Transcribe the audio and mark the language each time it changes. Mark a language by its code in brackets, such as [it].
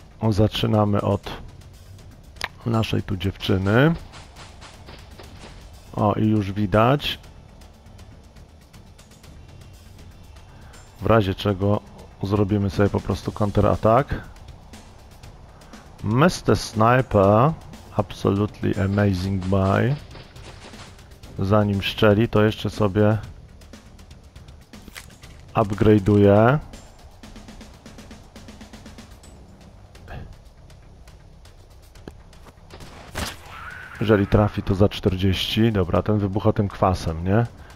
[pl] Zaczynamy od naszej tu dziewczyny. O, i już widać. W razie czego zrobimy sobie po prostu counterattack. [en] Mr. Sniper, absolutely amazing buy. [pl] Zanim szczeli, to jeszcze sobie upgrade'uję. Jeżeli trafi, to za 40. Dobra, ten wybucha tym kwasem, nie?